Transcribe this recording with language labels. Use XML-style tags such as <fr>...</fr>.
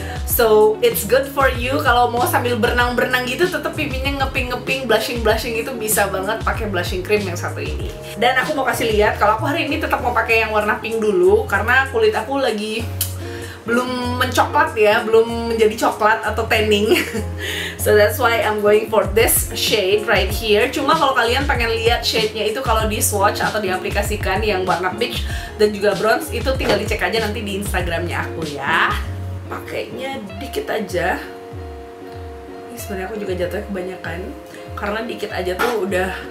<en>So it's good for you</en> <id>kalau mau sambil berenang-berenang gitu, tetap pipinya ngeping-ngeping, blushing-blushing itu bisa banget pakai blushing cream yang satu ini. Dan aku mau kasih lihat, kalau aku hari ini tetap mau pakai yang warna pink dulu karena kulit aku lagi belum mencoklat ya, belum menjadi coklat atau tanning.</id> <en>So that's why I'm going for this shade right here.</en> <id>Cuma kalau kalian pengen lihat shade-nya itu kalau di swatch atau diaplikasikan yang warna peach dan juga bronze, itu tinggal dicek aja nanti di Instagram-nya aku ya. Pakainya dikit aja. Ini sebenarnya aku juga jatuhnya kebanyakan karena dikit aja tuh udah</id>